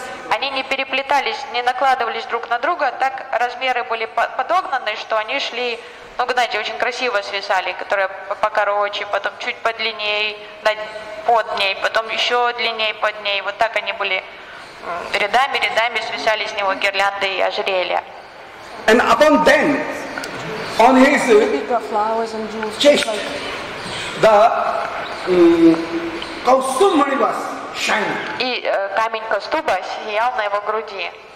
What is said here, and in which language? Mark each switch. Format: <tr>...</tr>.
<ru>Они не переплетались, не накладывались друг на друга, так размеры были подогнаны, что они шли, ну, знаете, очень красиво свисали, которые покороче, потом чуть подлиннее, под ней, потом еще длиннее под ней, вот так они были... Рядами свисали с него гирлянды и ожерелья.</ru> <en>And upon them, on his chest, the Kaustubmani was shining.</en> <ru>И камень Кастуба сиял на его груди.</ru>